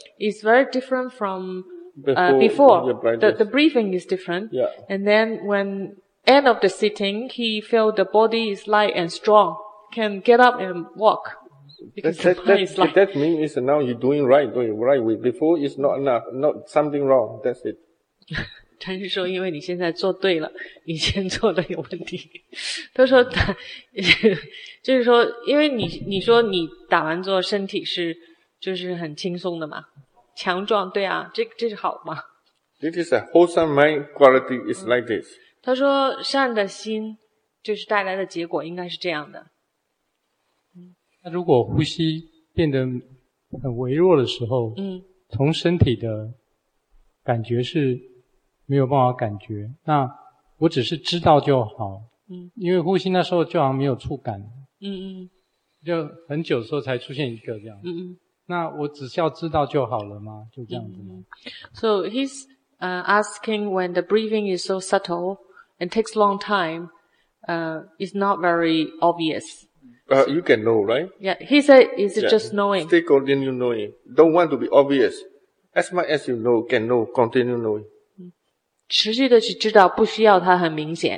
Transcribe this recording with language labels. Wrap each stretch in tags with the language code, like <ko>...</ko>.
<en>It's very different from before, the breathing is different. Yeah. And then when end of the sitting, he felt the body is light and strong, can get up and walk. That means now you're doing right. Before it's not enough, not something wrong, that's it.</en> <zh>他是说因为你现在做对了，以前做的有问题。他说他就是说因为你说你打完坐身体是就是很轻松的嘛。强壮，对啊，这是好吗？</zh> <en>This is a wholesome mind quality is like this.</en> <zh>他说善的心就是带来的结果应该是这样的。那如果呼吸变得很微弱的时候，从身体的感觉是没有办法感觉，那我只是知道就好。因为呼吸那时候就好像没有触感。就很久的时候才出现一个这样。那我只需要知道就好了吗？就这样子吗？</zh> <en>So he's asking when the breathing is so subtle and takes long time, it's not very obvious. But you can know, right? Yeah, he said it's just knowing. Stay continue knowing. Don't want to be obvious. As much as you know, can know, continue knowing.</en> <zh>持续的去知道，不需要它很明显。</zh>